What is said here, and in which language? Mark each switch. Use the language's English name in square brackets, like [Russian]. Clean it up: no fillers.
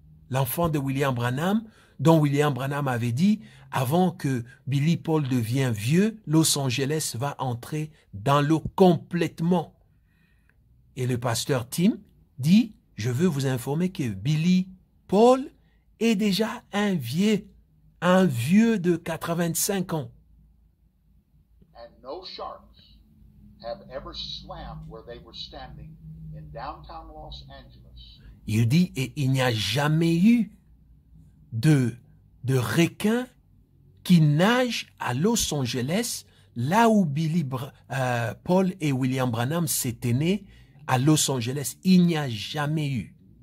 [French] L'enfant de William Branham, dont William Branham avait dit, avant que Billy Paul devienne vieux, Los Angeles va entrer dans l'eau complètement. Et le pasteur Tim dit, je veux vous informer que Billy Paul est déjà un vieux. Un vieux de 85 ans. [English] no sharks have ever swam where they were standing in downtown Los Angeles. [French] Il dit, et il n'y a jamais eu de requin qui nage à Los Angeles, là où Billy Paul et William Branham s'étaient nés, à Los Angeles. Il n'y a jamais eu.